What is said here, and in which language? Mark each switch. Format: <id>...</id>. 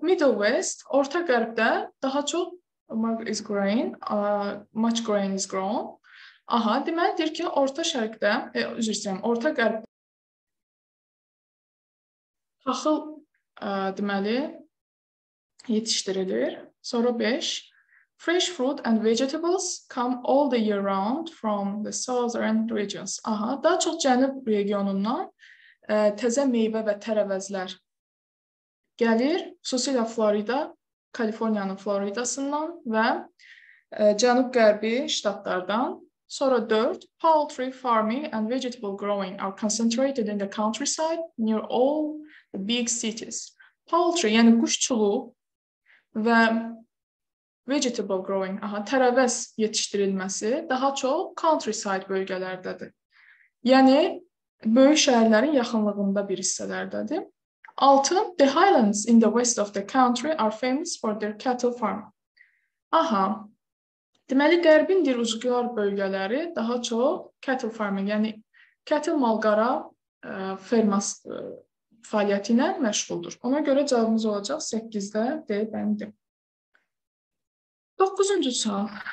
<en>Middle West,</en> <az>Orta Qərbdə daha çox</az> <en>is grain, much grain is grown.</en> <az>Aha, deməlidir ki, Orta Şərqdə, üzr istəyirəm, Orta Qərbdə taxıl, deməli, yetişdirilir. Sonra 5.</az> <en>Fresh fruit and vegetables come all the year round from the southern regions.</en> <az>Aha, daha çox cənub regionundan təzə meyvə və tərəvəzlər gəlir, xüsusilə Florida, Kaliforniyanın Floridasından və cənub-qərbi ştatlardan. Sonra 4.</az> <en>Poultry farming and vegetable growing are concentrated in the countryside near all the big cities.</en> <az>Poultry, yəni quşçuluğu və vegetable growing, aha, tərəvəz yetişdirilməsi daha çox countryside bölgələrdədir. Yəni, böyük şəhərlərin yaxınlığında bir hissələrdədir. 6.</az> <en>The highlands in the west of the country are famous for their cattle farm.</en> <az>Aha, deməli, qərbin dir uzgar bölgələri daha çox cattle farming, yəni cattle malqara fəaliyyəti ilə məşğuldur. Ona görə cavabımız olacaq 8-də D bəndi. 9-cu sual.</az>